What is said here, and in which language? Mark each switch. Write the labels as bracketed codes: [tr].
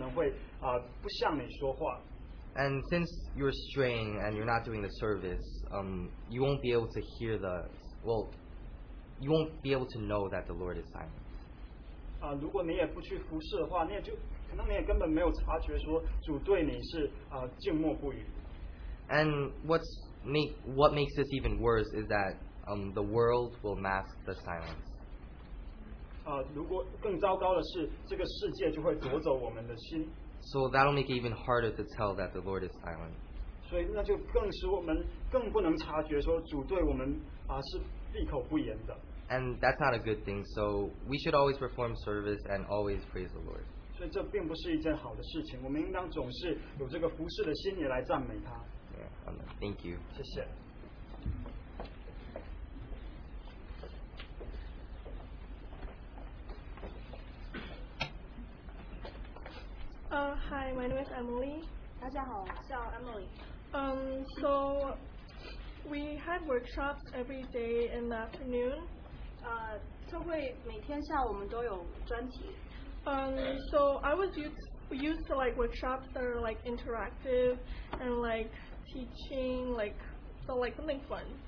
[zh] 我想说，主总是在那里与我们同在，但是他可能会不向你说话。 [en] And since you're straying and you're not doing the service, you won't be able to hear the, well, you won't be able to know that the Lord is silent. [zh] 如果你也不去服侍的话，你也就可能你也根本没有察觉说主对你是静默不语。 [en] And what makes this even worse is that the world will mask the silence. [zh] 如果更糟糕的是，这个世界就会夺走我们的心。 [en] So that'll make it even harder to tell that the Lord is silent. [zh] 所以那就更使我们更不能察觉说主对我们是闭口不言的。 [en] And that's not a good thing. So we should always perform service and always praise the Lord. [zh] 所以这并不是一件好的事情，我们应当总是有这个服事的心也来赞美他。 [en] Yeah, thank you. [zh] 谢谢。 [en] Hi, my name is Emily. [zh] 大家好，我叫 Emily. [en] So we had workshops every day in the afternoon. [zh] 特会每天下午我们都有专题。 [en] So I was used to like workshops that are like interactive and like teaching, like so like something fun.